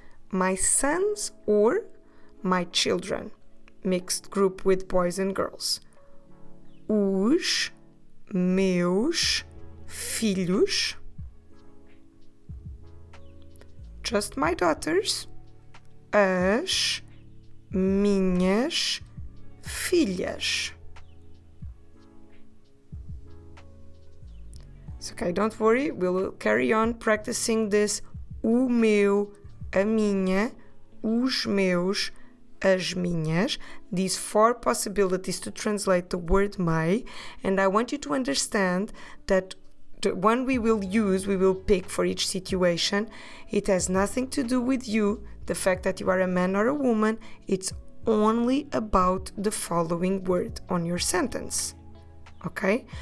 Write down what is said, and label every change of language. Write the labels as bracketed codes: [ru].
[en] my sons or my children, mixed group with boys and girls, [pt] os meus filhos, [en] just my daughters, [pt] as minhas filhas. [en] So, okay, don't worry, we'll carry on practicing this. [pt] O meu, a minha, os meus, as minhas. [en] These four possibilities to translate the word my. And I want you to understand that the one we will use, we will pick for each situation, it has nothing to do with you, the fact that you are a man or a woman, it's only about the following word on your sentence. Okay?